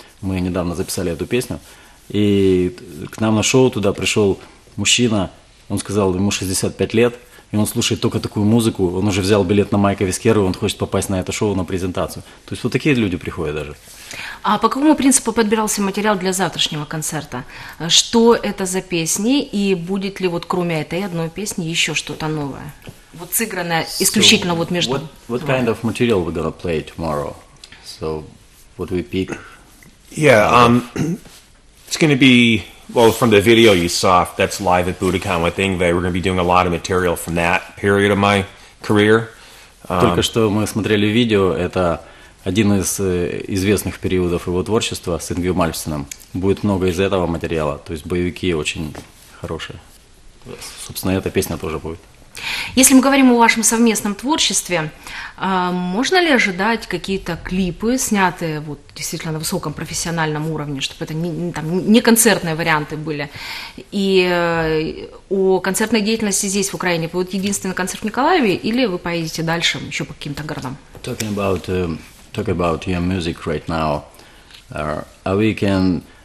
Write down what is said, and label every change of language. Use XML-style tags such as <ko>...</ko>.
<ru>Мы недавно записали эту песню. И к нам на шоу туда пришел мужчина, он сказал, ему 65 лет, и он слушает только такую музыку, он уже взял билет на Майка Вискеры, он хочет попасть на это шоу, на презентацию. То есть вот такие люди приходят даже. А по какому принципу подбирался материал для завтрашнего концерта? Что это за песни, и будет ли вот кроме этой одной песни еще что-то новое? Вот сыгранное исключительно вот между...</ru> <en>What kind of material we're gonna play tomorrow? So, what we pick? Yeah, it's gonna be... Well, from the video you saw, that's live at Budokan with Yngwie. We're gonna be doing a lot of material from that period of my career.</en> <ru>Только что мы смотрели видео, это один из известных периодов его творчества с Yngwie Malmsteen. Будет много из этого материала, то есть боевики очень хорошие. Собственно, эта песня тоже будет. Если мы говорим о вашем совместном творчестве, можно ли ожидать какие-то клипы, снятые вот действительно на высоком профессиональном уровне, чтобы это не, там, не концертные варианты были? И о концертной деятельности здесь, в Украине, будет единственный концерт в Николаеве, или вы поедете дальше еще по каким-то городам?</ru> <en>Talking about your music right now, we can...</en>